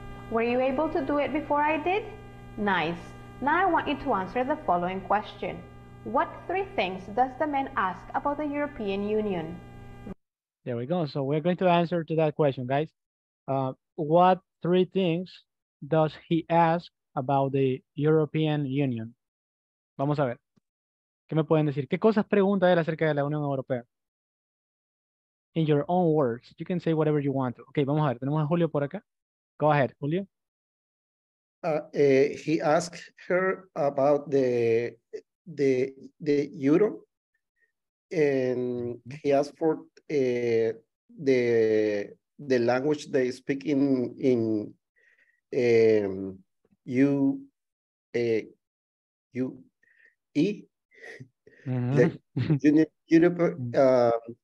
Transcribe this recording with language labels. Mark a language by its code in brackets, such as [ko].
[en] Were you able to do it before I did? Nice. Now I want you to answer the following question. What three things does the man ask about the European Union? There we go. So we're going to answer to that question, guys. What three things does he ask about the European Union? [es] Vamos a ver. ¿Qué me pueden decir? ¿Qué cosas pregunta él acerca de la Unión Europea? [en] In your own words, you can say whatever you want. [es] Okay, vamos a ver. Tenemos a Julio por acá. [en] Go ahead, Julio. He asked her about the euro, and he asked for the language they speak in UE, Europe.